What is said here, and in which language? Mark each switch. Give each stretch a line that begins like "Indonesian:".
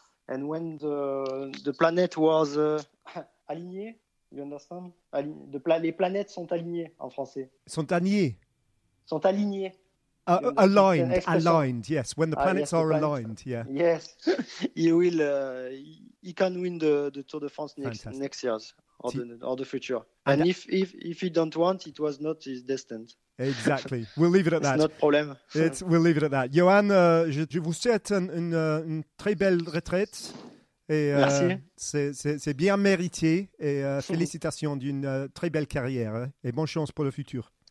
English: And when the planet was aligné, you understand?
French: Les planètes sont alignées en français. Sont alignées. Sont alignées.
English: Aligned, yes. When the planets are aligned, yeah. Yes, he can win the Tour de France next year or the future. And if he don't want, it was not his destined. Exactly. We'll leave it at that. It's not a problem. We'll leave it at that.
French: Johan, je vous souhaite une très belle retraite. Et, merci. C'est bien mérité. Et félicitations d'une très belle carrière. Et bonne chance pour le futur.